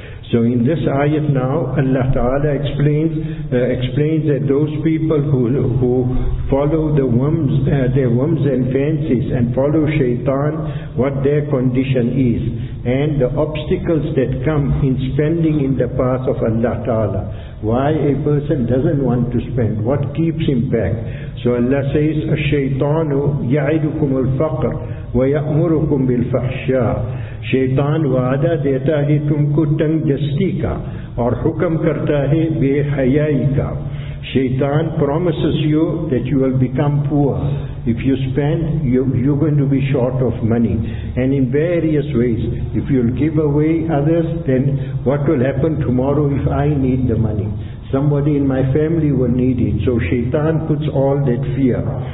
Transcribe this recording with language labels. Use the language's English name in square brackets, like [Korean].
[English] So in this ayat now, Allah Ta'ala explains that those people who follow the whims, their whims and fancies, and follow shaitan, what their condition is, and the obstacles that come in spending in the path of Allah Ta'ala. Why a person doesn't want to spend, what keeps him back. [Arabic] So Allah says, الشَّيْطَانُ يَعِدُكُمُ الْفَقْرِ وَيَأْمُرُكُمْ بِالْفَحْشَاءِ. [Urdu] شیطان وعدہ دیتا ہے تم کو تنگ دستی کا اور حکم کرتا ہے بے حیائی کا. [English] Shaitan promises you that you will become poor. If you spend, you're going to be short of money. And in various ways, if you'll give away others, then what will happen tomorrow if I need the money? Somebody in my family will need it. So shaitan puts all that fear.